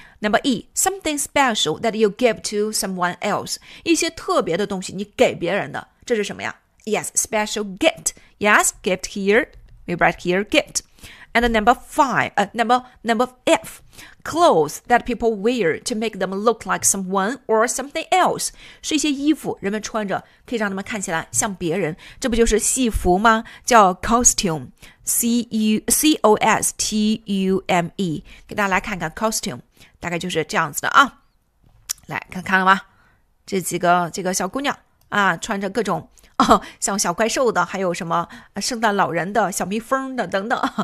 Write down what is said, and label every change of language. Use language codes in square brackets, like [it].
[en] Number E, something special that you give to someone else. [zh] 一些特别的东西你给别人的。这是什么呀？ [en] Yes, special gift. Yes, gift here. We write here gift. And number F, clothes that people wear to make them look like someone or something else. [zh] 是一些衣服人们穿着可以让他们看起来像别人。这不就是戏服吗？叫 costume. C-O-S-T-U-M-E. 给大家来看看 costume. 大概就是这样子的啊。来看看了吧。这几个小姑娘啊，穿着各种。像小怪兽的，还有什么圣诞老人的，小蜜蜂的等等。